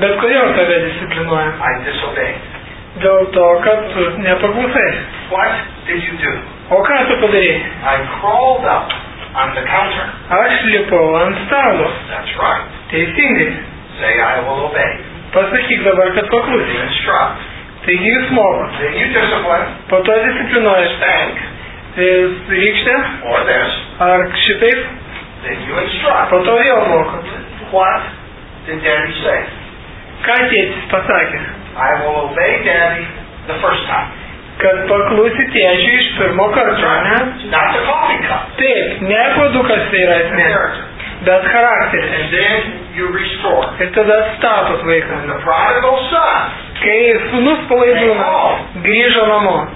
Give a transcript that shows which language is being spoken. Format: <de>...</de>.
<lt>Bet kodėl tave disciplinuoja?</lt> <en>I disobey.</en> <lt>Dėl to, kad tu nepaklusai.</lt> <en>What did you do?</en> <lt>O ką tu padarė?</lt> <en>I crawled up on the counter.</en> <lt>Aš lipau ant stalo.</lt> <en>That's right.</en> <lt>Teisingai.</lt> <en>Say I will obey.</en> <lt>Pasakyk dabar, kad paklusai.</lt> <en>You instruct.</en> <lt>Taigi jis moko.</lt> <en>Then you discipline.</en> <lt>Po to disciplinuoja.</lt> <en>Spank.</en> <lt>Rykštė.</lt> <en>Or this.</en> <lt>Ar šitaip.</lt> <en>Then you instruct.</en> <lt>Po to vėl moko.</lt> <en>What did daddy say?</en> <lt>Ką tėtis pasakė?</lt> <en>I will obey daddy the first time.</en> <lt>Kad paklusi tėčiui iš pirmo karto, ne?</lt> <en>Not the coffee cup.</en> <lt>Taip, ne produktas tai yra esmė. Bet charakteris.</lt> <en>And then you restore.</en> <lt>Ir tada atstatot vaiką.</lt> <en>And the prodigal son.</en> <lt>Kai sūnus palaidūna, grįžo namo.</lt>